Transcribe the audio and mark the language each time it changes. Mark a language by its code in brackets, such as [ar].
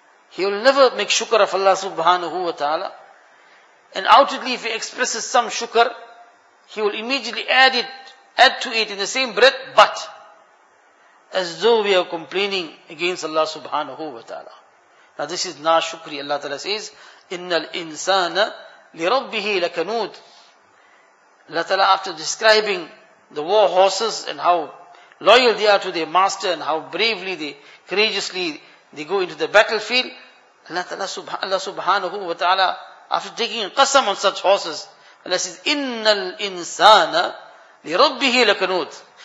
[en] He will never make shukr of Allah subhanahu wa ta'ala. And outwardly, if he expresses some shukr, he will immediately add to it in the same breath, but as though we are complaining against Allah subhanahu wa ta'ala. Now this is nashukri. Allah ta'ala says, [ar] إِنَّ الْإِنسَانَ لِرَبِّهِ لَكَنُودِ. [en] Allah ta'ala, after describing the war horses and how loyal they are to their master and how bravely they, courageously they go into the battlefield, Allah subhanahu wa ta'ala, after taking a qasam on such horses, Allah says, [ar] إِنَّ الْإِنسَانَ لِرَبِّهِ لَكَنُودِ.